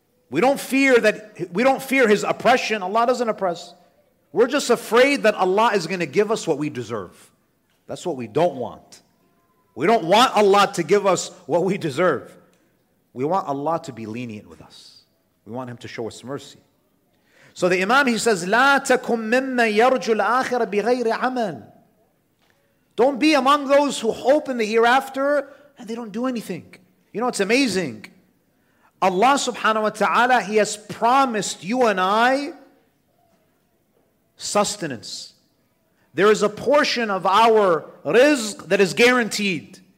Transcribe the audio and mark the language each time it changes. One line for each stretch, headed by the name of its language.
English: We don't fear His oppression. Allah doesn't oppress. We're just afraid that Allah is going to give us what we deserve. That's what we don't want. We don't want Allah to give us what we deserve. We want Allah to be lenient with us. We want Him to show us mercy. So the Imam, he says,
Arabic: لا تكن ممن يرجو الآخرة بغير عمل.
English: Don't be among those who hope in the hereafter and they don't do anything. You know, it's amazing. Allah subhanahu wa ta'ala, He has promised you and I sustenance. There is a portion of our rizq that is guaranteed.